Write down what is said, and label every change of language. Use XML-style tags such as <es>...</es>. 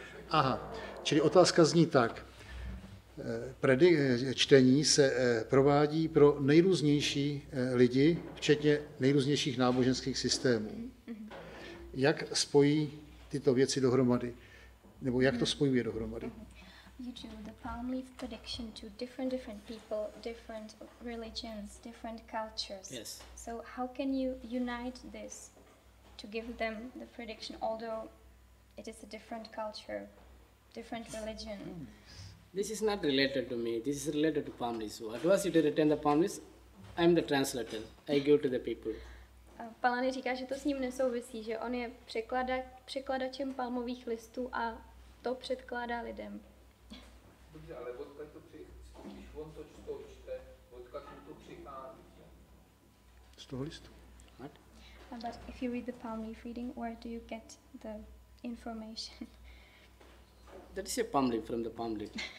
<cs>Aha, čili otázka zní tak. Čtení se provádí pro nejrůznější lidi, včetně nejrůznějších náboženských systémů. Jak spojí tyto věci dohromady? Nebo jak to spojuje dohromady?</cs> <en>You do the palm leaf prediction to different people, different religions, different cultures. Yes. So how can you unite this to give them the prediction, although it is a different culture, different religion? This is not related to me. This is related to palm leaves. What was it to retain the palm leaves? I'm the translator. I give to the people.</en> <cs>Palani říká, že to s ním nesouvisí, že on je překladačem palmových listů a to předkládá lidem. Dobře, ale odkud to přichází? Když on to čte, odkud mu to přichází? Z toho listu.</cs> <en>What? But if you read the palm leaf reading, where do you get the information? That is a palm leaf from the palm leaf.</en>